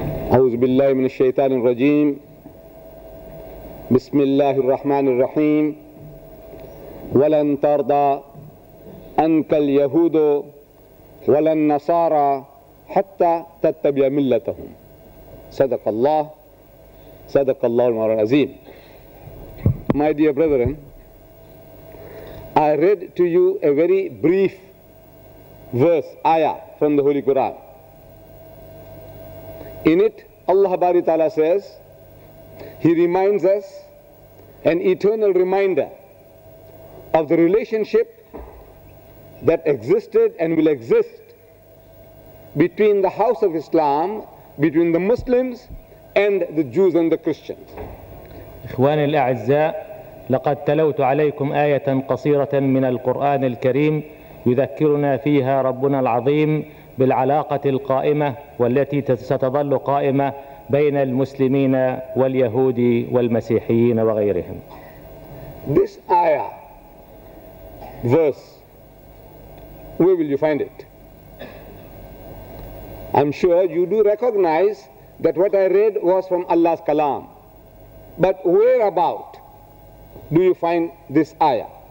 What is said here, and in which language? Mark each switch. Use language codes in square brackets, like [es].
[ar] أعوذ بالله من الشيطان الرجيم. بسم الله الرحمن الرحيم. ولن ترضى عنك اليهود ولا النصارى حتى تتبع ملتهم. صدق الله، صدق الله المولى العظيم. [en] My dear brethren, I read to you a very brief verse, ayah from the Holy Quran. In it Allah Bari Ta'ala says, He reminds us, an eternal reminder of the relationship that existed and will exist between the house of Islam, between the Muslims and the Jews and the Christians. [ar] إخواني الأعزاء، لقد تلوت عليكم آية قصيرة من القرآن الكريم يذكرنا فيها ربنا العظيم بالعلاقة القائمة والتي ستظل قائمة بين المسلمين واليهود والمسيحيين وغيرهم. [en] This ayah, verse, where will you find it? I'm sure you do recognize that what I read was from Allah's kalam. But where about do you find this ayah?